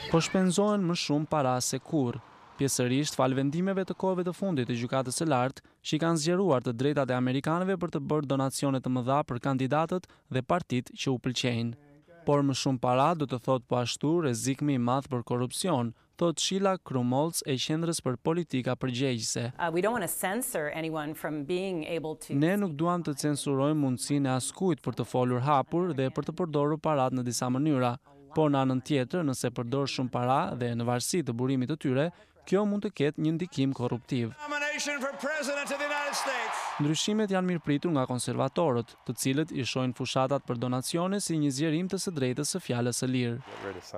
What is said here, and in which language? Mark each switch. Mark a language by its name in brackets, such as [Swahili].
[Albanian] Po shpenzohen më shumë para se kur. Pjesërisht fal vendimeve të kohëve të fundit të gjykatës së lartë, që i kanë zgjeruar të drejtat e amerikanëve për të bërë donacione të mëdha për kandidatët dhe partitë që u pëlqejnë. Por më shumë para do të thotë po ashtu rrezik më i madh për korrupsion, thotë Sheila Krumholz e Qendrës për Politika Përgjegjëse. [English] We don't want to censor anyone from being able to. [Albanian] Ne nuk duam të censurojmë mundësinë e askujt për të folur hapur dhe për të përdorur paratë në disa mënyra. Por në anën tjetër, nëse përdor shumë para dhe në varësi të burimit të tyre, kjo mund të ketë një ndikim korruptiv. Ndryshimet janë mirëpritur nga konservatorët, të cilët i shohin fushatat për donacione si një zgjerim të së drejtës së fjalës së lirë.